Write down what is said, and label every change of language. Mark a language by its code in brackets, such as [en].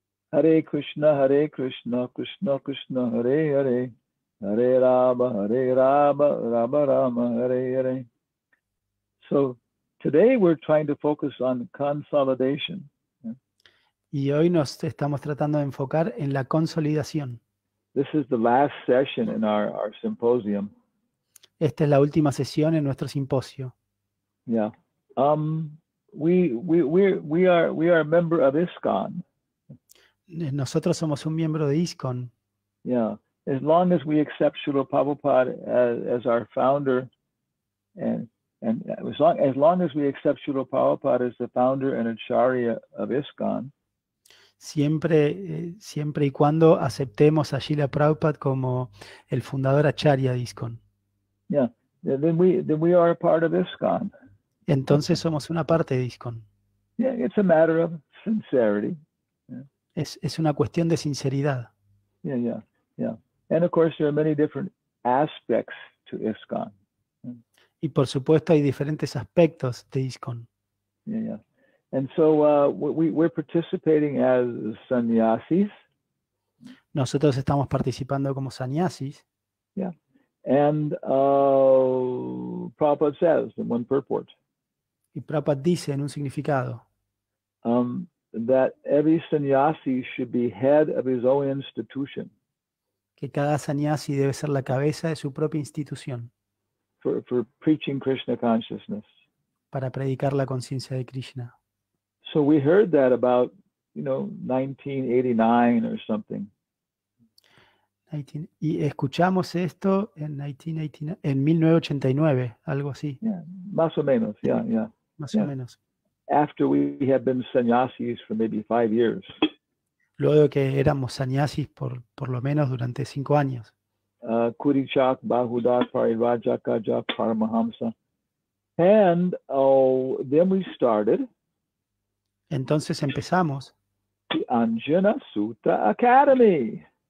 [sa] Hare Krishna, Hare Krishna, Krishna Krishna, Hare Hare, Hare Rama, Hare Rama, Rama Rama, Hare Hare. [en] So today we're trying to focus on consolidation. [es] Y hoy nos estamos tratando de enfocar en la consolidación. [en] This is the last session in our symposium. [es] Esta es la última sesión en nuestro simposio. [en] Yeah. We are a member of ISKCON. [es] Nosotros somos un miembro de ISKCON. [en] Yeah, as long as we accept Srila Prabhupada as our founder and As long as we accept Srila Prabhupada as the founder and acharya of ISKCON, [es] siempre y cuando aceptemos a Srila Prabhupada como el fundador acharya de ISKCON. [en] Yeah, then we are a part of ISKCON. [es] Entonces somos una parte de ISKCON. [en] Yeah, it's a matter of sincerity. [es] Es una cuestión de sinceridad. [en] Yeah. And of course there are many different aspects to ISKCON. [es] Y por supuesto hay diferentes aspectos de ISKCON. [en] And so we're participating as sannyasis. [es] Nosotros estamos participando como sannyasis. [en] Yeah. And Prabhupada says in one purport. [es] Y Prabhupada dice en un significado. [en] That every sannyasi should be head of his own institution. [es] Que cada sannyasi debe ser la cabeza de su propia institución. [en] For preaching Krishna consciousness. [es] Para predicar la conciencia de Krishna. [en] So we heard that about, 1989 or something. [es] Y escuchamos esto en 1989, algo así. Yeah, más o menos, yeah. Más yeah. o menos. [en] After we had been sannyasis for maybe 5 years. [es] Luego que éramos sannyasis por lo menos durante 5 años. [sa] Kurichak, Bahudar, Parirajaka, Jap, Paramahamsa. [en] And then we started. [es] Entonces empezamos. [en] The Anjana Sutta Academy.